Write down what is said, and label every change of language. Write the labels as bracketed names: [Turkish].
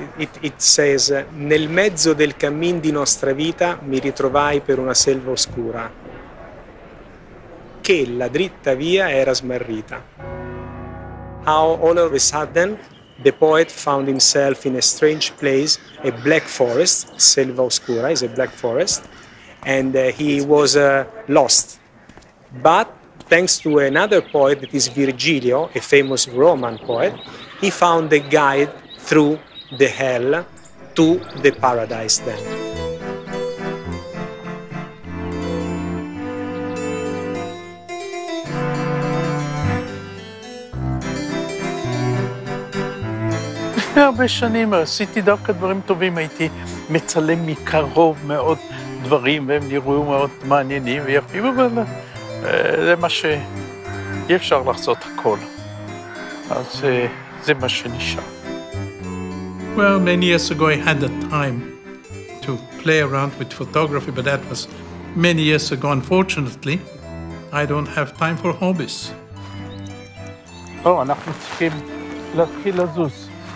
[Italian] It says, nel mezzo del cammin di nostra vita mi ritrovai per una selva oscura, che la dritta via era smarrita. [English] How all of a sudden the poet found himself in a strange place, a black forest, selva oscura is a black forest, and he was lost. But thanks to another poet, that is Virgilio, a famous Roman poet, he found a guide through the hell to the paradise then. [Hebrew] הרבה שנים עשיתי דווקא דברים טובים, הייתי מצלם מקרוב מאוד דברים והם נראו מאוד מעניינים ויפים, אבל זה מה ש... אי אפשר לחזות הכל, אז זה מה שנשאר. [English] Well, many years ago I had the time to play around with photography, but that was many years ago. Unfortunately, I don't have time for hobbies. [Hebrew] Oh, אנחנו צריכים להתחיל לזוז.